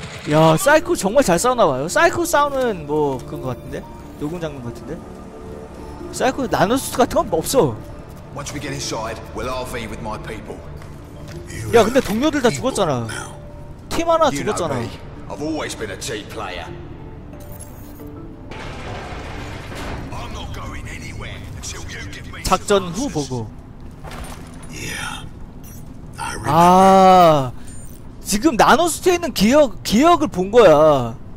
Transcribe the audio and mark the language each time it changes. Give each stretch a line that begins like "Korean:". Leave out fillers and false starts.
Korean: 야, 사이코 정말 잘 싸우나 봐요. 사이코 싸우는 뭐 그런 거 같은데? 녹음 장면 같은데? 사이코 나노수트 같은 건 없어.
English: Once we get inside, we'll all be with my people.
Korean: 야, 근데 동료들 다 죽었잖아. 팀 하나 죽었잖아.
English: I've always been a team player. I'm not going anywhere until you give me
Korean: 작전 후 보고. 아, 지금 나노수트에 있는 기억을 본 거야.